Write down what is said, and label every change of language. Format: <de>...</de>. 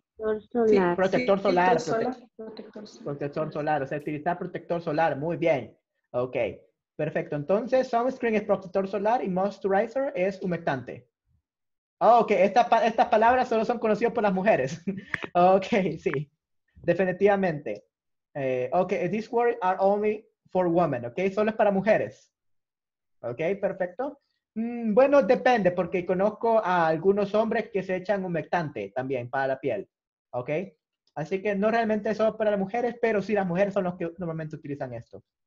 <es>Protector solar. Sí, protector solar, o sea, utilizar protector solar. Muy bien. Ok, perfecto. Entonces, sunscreen es protector solar y moisturizer es humectante. Oh, ok, estas palabras solo son conocidas por las mujeres. Ok, sí, definitivamente.</es> <en>Ok, these words are only for women, ok?</en> <es>Solo es para mujeres. Ok, perfecto. Bueno, depende, porque conozco a algunos hombres que se echan humectante también para la piel, ¿ok? Así que no realmente eso para las mujeres, pero sí las mujeres son los que normalmente utilizan esto.</es>